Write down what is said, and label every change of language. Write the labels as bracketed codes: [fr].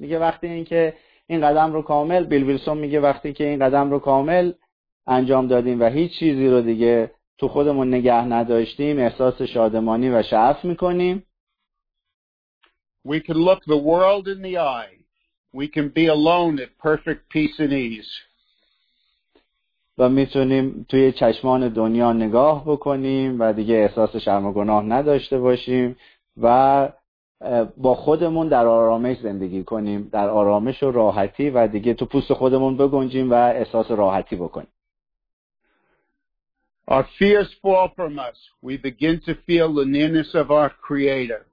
[fa] میگه وقتی اینکه این قدم رو کامل بیل ویلسون میگه وقتی که این قدم رو کامل انجام دادیم و هیچ چیزی رو دیگه تو خودمون نگه نداشتیم احساس شادمانی و شعف میکنیم. [en] We can look the world in the eye. We can be alone at perfect peace and ease. [fa] و میتونیم توی چشمان دنیا نگاه بکنیم و دیگه احساس شرم و گناه نداشته باشیم و با خودمون در آرامش زندگی کنیم، در آرامش و راحتی و دیگه تو پوست خودمون بگنجیم و احساس راحتی بکنیم. [en] Our fears fall from us. We begin to feel the nearness of our Creator.